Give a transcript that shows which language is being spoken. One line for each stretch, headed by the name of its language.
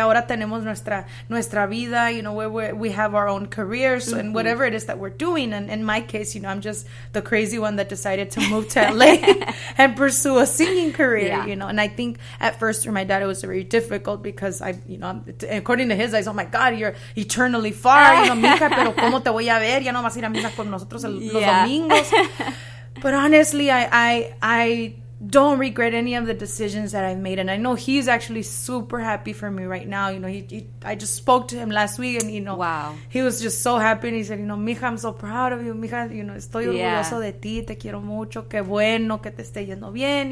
Spanish: Ahora tenemos nuestra vida,
English: you know, where we have our own careers. Mm-hmm. And whatever it is that we're doing. And in my case, you know, I'm just the crazy one that decided to move to LA and pursue a singing career. Yeah. You know, and I think at first for my dad, it was very difficult, because I, you know, according to his eyes, oh my God, you're eternally far. You know,
Spanish: mija, pero cómo te voy a ver? Ya no vas a ir a misa con nosotros los domingos.
English: But honestly, I don't regret any of the decisions that I've made. And I know he's actually super happy for me right now. You know, I just spoke to him last week, and, you know, wow, he was just so happy. And he said, you know, mija, I'm so proud of you.
Spanish: Mija,
English: you know,
Spanish: estoy orgulloso de ti. Te quiero mucho. Qué bueno que te esté yendo bien.